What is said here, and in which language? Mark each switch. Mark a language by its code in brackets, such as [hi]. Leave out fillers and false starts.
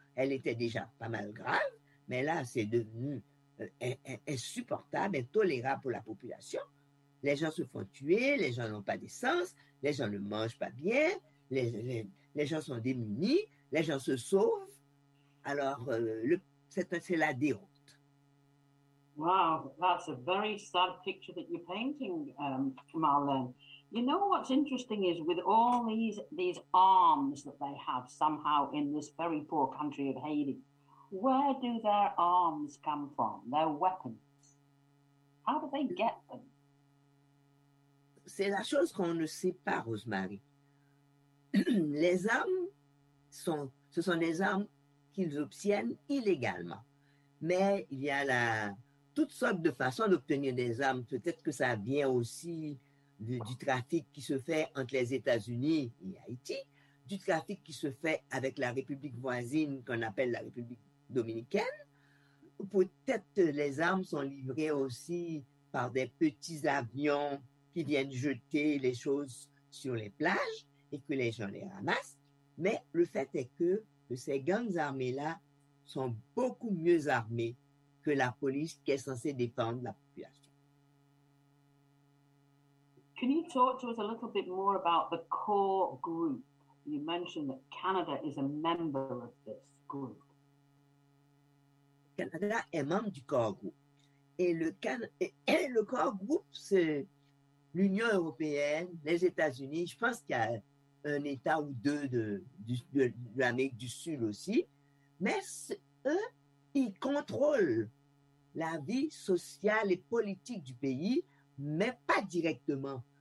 [fr] Elle était déjà pas mal grave, mais là, c'est devenu insupportable, intolérable pour la population. Les gens se font tuer, les gens n'ont pas d'essence, les gens ne mangent pas bien, les gens sont démunis, les gens se sauvent. Alors, c'est la déroute. [en] Wow, that's a very sad picture that you're painting, Marlene. You know what's interesting is with all these arms that they have somehow in this very poor country of Haiti, where do their arms come from, their weapons? How do they get them? [fr] C'est la chose qu'on ne sait pas, Rosemary. Les armes, ce sont des armes qu'ils obtiennent illégalement. Mais il y a toutes sortes de façons d'obtenir des armes. Peut-être que ça vient aussi du trafic qui se fait entre les États-Unis et Haïti, du trafic qui se fait avec la République voisine qu'on appelle la République dominicaine. Peut-être que les armes sont livrées aussi par des petits avions qui viennent jeter les choses sur les plages et que les gens les ramassent. Mais le fait est que ces gangs armés-là sont beaucoup mieux armés que la police qui est censée défendre la population. [en] Can you talk to us a little bit more about the core group? You mentioned that Canada is a member of this group. [fr] Canada est membre du core group. Et le core group, c'est l'Union européenne, les États-Unis. Je pense qu'il y a un État ou deux de l'Amérique du Sud aussi. Mais eux, ils contrôlent la vie sociale et politique du pays, mais pas directement.